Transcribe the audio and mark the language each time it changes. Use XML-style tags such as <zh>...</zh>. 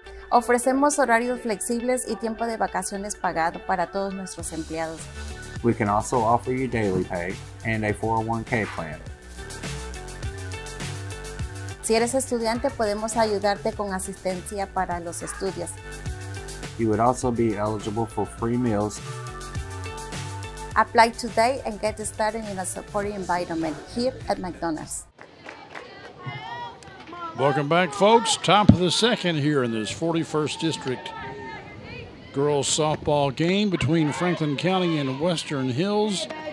<es>Ofrecemos horarios flexibles y tiempo de vacaciones pagado para todos nuestros empleados.</es> <en>We can also offer you daily pay and a 401k plan.</en> <es>Si eres estudiante, podemos ayudarte con asistencia para los estudios.</es> <en>You would also be eligible for free meals. Apply today and get started in a supportive environment here at McDonald's. Welcome back, folks. Top of the second here in this 41st District girls softball game between Franklin County and Western Hills.</en>